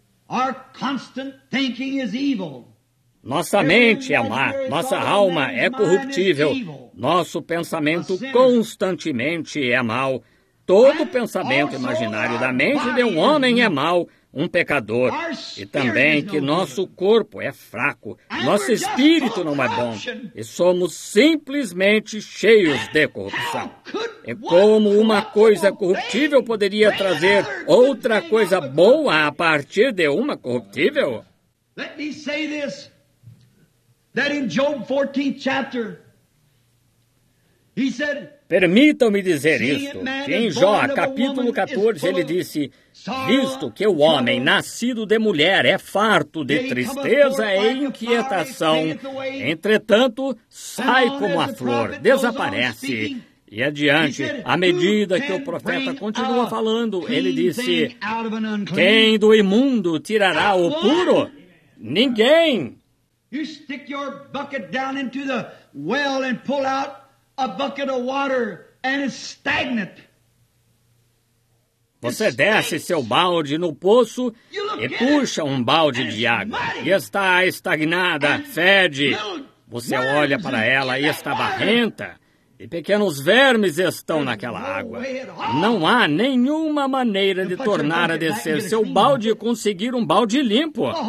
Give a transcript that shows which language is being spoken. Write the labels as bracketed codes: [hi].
[en] Our constant thinking is evil. [pt] Nossa mente é má, nossa alma é corruptível, nosso pensamento constantemente é mau. Todo pensamento imaginário da mente de um homem é mau, um pecador. E também que nosso corpo é fraco, nosso espírito não é bom, e somos simplesmente cheios de corrupção. E como uma coisa corruptível poderia trazer outra coisa boa a partir de uma corruptível? [en] Let me say this. That in Job 14th chapter, he said, [pt] permitam-me dizer isto, que em Jó, capítulo 14, ele disse, visto que o homem nascido de mulher é farto de tristeza e inquietação, entretanto, sai como a flor, desaparece. E adiante, à medida que o profeta continua falando, ele disse, quem do imundo tirará o puro? Ninguém! [en] You stick your bucket down into the well and pull out a bucket of water and it's stagnant. [pt] Você desce seu balde no poço e puxa um balde de água e está estagnada, fede. Você olha para ela e está barrenta e pequenos vermes estão naquela água. Não há nenhuma maneira de tornar a descer seu balde e conseguir um balde limpo.